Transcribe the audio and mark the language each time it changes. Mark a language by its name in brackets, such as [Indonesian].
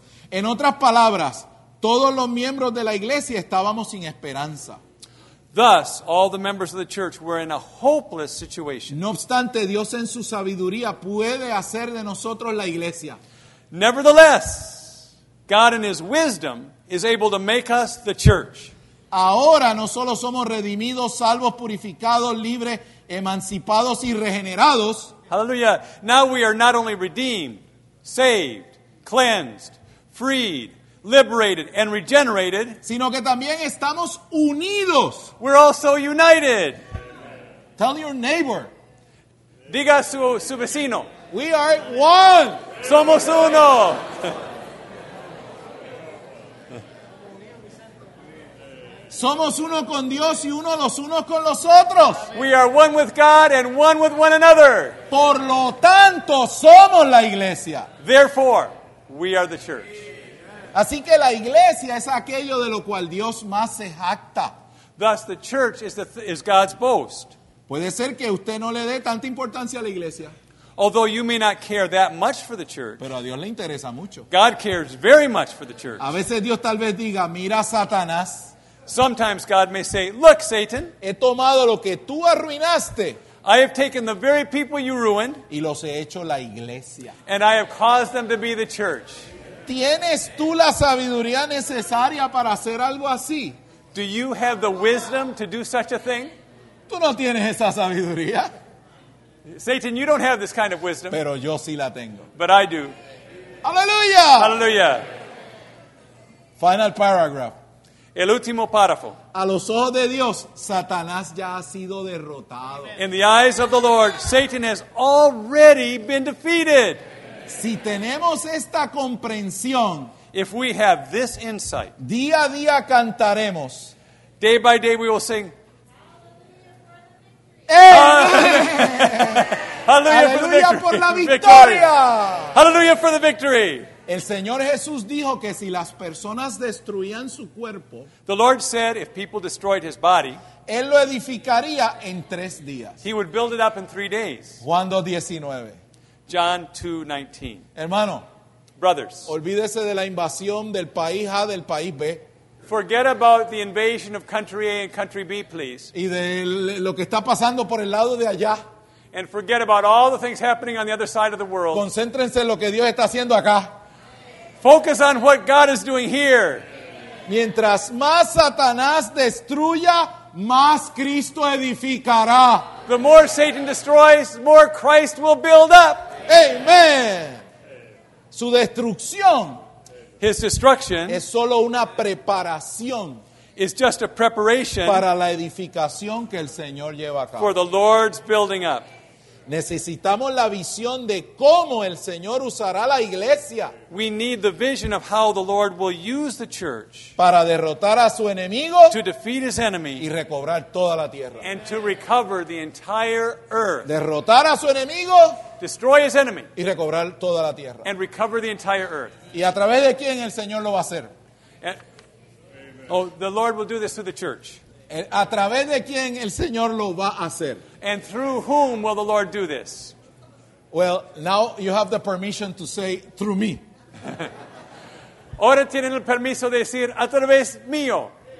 [Spanish] En otras palabras, todos los miembros de la iglesia estábamos sin esperanza. [English] Thus, all the members of the church were in a hopeless situation. [Spanish] No obstante, Dios en su sabiduría puede hacer de nosotros la iglesia. [English] Nevertheless, God in his wisdom is able to make us the church. [Spanish] Ahora no solo somos redimidos, salvos, purificados, libres, emancipados y regenerados. [English] Hallelujah. Now we are not only redeemed, saved, cleansed, freed, liberated and regenerated, [Spanish] sino que también estamos unidos. [English] We're also united. Tell your neighbor. [Spanish] Diga su vecino. [English] We are one. [Spanish] Somos uno. Somos uno con Dios y uno los unos con los otros. [English] We are one with God and one with one another. [Spanish] Por lo tanto, somos la iglesia. [English] Therefore, we are the church. [Spanish] Así que la iglesia es aquello de lo cual Dios más se jacta. [English] Thus the church is God's boast. [Spanish] Puede ser que usted no le dé tanta importancia a la iglesia. [English] Although you may not care that much for the church. [Spanish] Pero a Dios le interesa mucho. [English] God cares very much for the church. [Spanish] A veces Dios tal vez diga, mira Satanás. [English] Sometimes God may say, look Satan. [Spanish] He tomado lo que tú arruinaste. [English] I have taken the very people you ruined. [Spanish] Y los he hecho la iglesia. [English] And I have caused them to be the church. [Spanish] ¿Tienes tú la sabiduría necesaria para hacer algo así? [English] Do you have the wisdom to do such a thing? [Spanish] Tú no tienes esa sabiduría. [English] Satan, you don't have this kind of wisdom. [Spanish] Pero yo sí la tengo. [English] But I do. Hallelujah. Hallelujah. Final paragraph. [Spanish] El último párrafo. A los ojos de Dios, Satanás ya ha sido derrotado. [English] In the eyes of the Lord, Satan has already been defeated. [Spanish] Si tenemos esta comprensión, [English] if we have this insight, [Spanish] día a día cantaremos. [English] Day by day we will sing. Hallelujah for the victory. Hallelujah for the victory. [Spanish] El Señor Jesús dijo que si las personas destruían su cuerpo, [English] the Lord said if people destroyed his body, [Spanish] él lo edificaría en tres días. [English] He would build it up in 3 days. [Spanish] Juan 2:19. [English] John 2:19. [Spanish] Hermano, [English] brothers, [Spanish] olvídese de la invasión del país A del país B. [English] Forget about the invasion of country A and country B, please. [Spanish] Y de lo que está pasando por el lado de allá. [English] And forget about all the things happening on the other side of the world. [Spanish] Concéntrense en lo que Dios está haciendo acá. [English] Focus on what God is doing here. [Spanish] Mientras más Satanás destruya, más Cristo edificará. [English] The more Satan destroys, the more Christ will build up. [Spanish] Amen. Su destrucción, [English] his destruction, [Spanish] es solo una preparación. [English] It's just a preparation [Spanish] para la edificación que el Señor lleva a cabo. [English] For the Lord's building up. [Spanish] Necesitamos la visión de cómo el Señor usará la iglesia. [English] We need the vision of how the Lord will use the church [Spanish] para derrotar a su enemigo, [English] to defeat his enemy, [Spanish] y recobrar toda la tierra. [English] And to recover the entire earth. [Spanish] Derrotar a su enemigo, [English] destroy his enemy, [Spanish] y recobrar toda la tierra. [English] And recover the entire earth. [Spanish] ¿Y a través de quién el Señor lo va a hacer? [English] The Lord will do this through the church. [Spanish] ¿A través de quién el Señor lo va a hacer? [English] And through whom will the Lord do this? Well, now you have the permission to say, through me. [Spanish] Ahora tienen el permiso de decir, a través mío.